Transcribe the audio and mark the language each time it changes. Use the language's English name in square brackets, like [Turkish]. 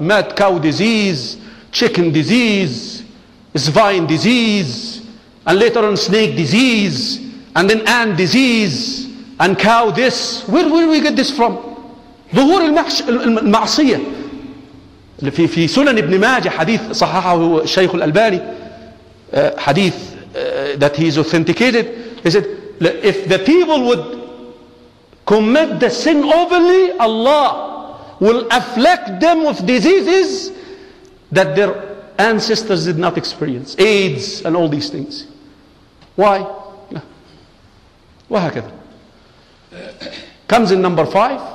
[English] Mad cow disease, chicken disease, swine disease, and later on snake disease, and then ant disease, and cow this. Where will we get this from? [Arabic] ظهور المعصية. في سنن ابن ماجه حديث صححه الشيخ الألباني, حديث [English] that he is authenticated. He said, if the people would commit the sin openly, Allah will afflict them with diseases that their ancestors did not experience. AIDS and all these things. Why? [Arabic] وهكذا. [English] Comes in number five.